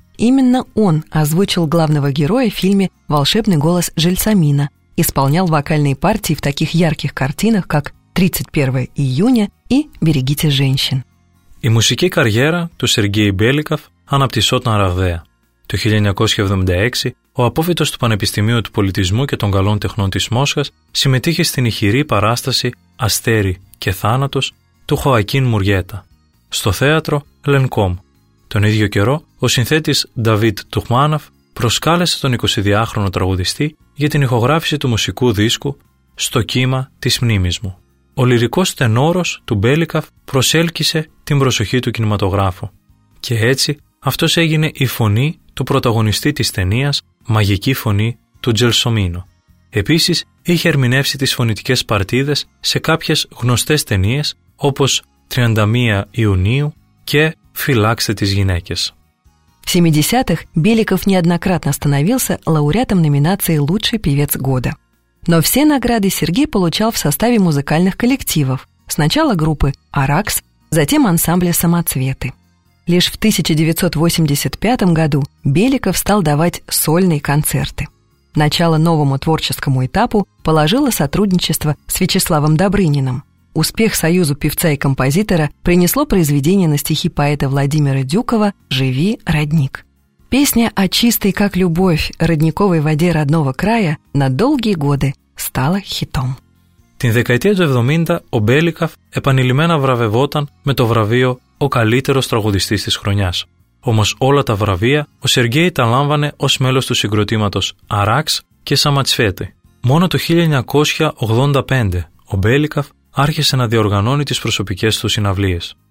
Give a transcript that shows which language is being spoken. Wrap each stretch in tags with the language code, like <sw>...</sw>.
<ru>Именно он озвучил главного героя в фильме «Волшебный голос Джельсомино», исполнял вокальные партии в таких ярких картинах, как «31 июня» и «Берегите женщин». И музыкальная карьера</ru> <el>του Сергея Беликов αναπτυσσόταν ραγδαία. Το 1976 ο απόφοιτος του Πανεπιστημίου του Πολιτισμού και των Καλών Τεχνών της Μόσχας συμμετείχε στην ηχηρή παράσταση «Αστέρι και θάνατος» του Χοακίν Μουριέτα στο θέατρο «Λενκόμ». Τον ίδιο καιρό, ο συνθέτης Νταβίτ Τουχμάνοφ προσκάλεσε τον 22χρονο τραγουδιστή για την ηχογράφηση του μουσικού δίσκου «Στο κύμα της μνήμης μου». Ο λυρικός τενόρος του Μπέλικαφ προσέλκυσε την προσοχή του κινηματογράφου. Και έτσι, αυτός έγινε η φωνή του πρωταγωνιστή της ταινίας «Μαγική φωνή» του Τζελσομίνο. Επίσης, είχε ερμηνεύσει τις φωνητικές παρτίδες σε κάποιες γνωστές ταινίες όπως «31 Ιουνίου» και «Φυλάξτε τις γυναίκες».</el> <ru>В 70-х Беликов неоднократно становился лауреатом номинации «Лучший певец года». Но все награды Сергей получал в составе музыкальных коллективов. Сначала группы «Аракс», затем ансамбля «Самоцветы». Лишь в 1985 году Беликов стал давать сольные концерты. Начало новому творческому этапу положило сотрудничество с Вячеславом Добрыниным. Успех союзу певца и композитора принесло произведение на стихи поэта Владимира Дюкова «Живи, родник». Песня о чистой, как любовь, родниковой воде родного края на долгие годы стала хитом.</ru> <el>Την δεκαετία του 70 ο Μπέλικαφ επανειλημμένα βραβευόταν με το βραβείο «Ο καλύτερος τραγουδιστής της χρονιάς». Όμως όλα τα βραβεία ο Σεργέη τα λάμβανε ως μέλος του συγκροτήματος Αράξ και Σαματσφέτη. Μόνο το 1985 ο Μπέλικαφ άρχισε να διοργανώνει τις προσωπικές του συναυλίες.</el>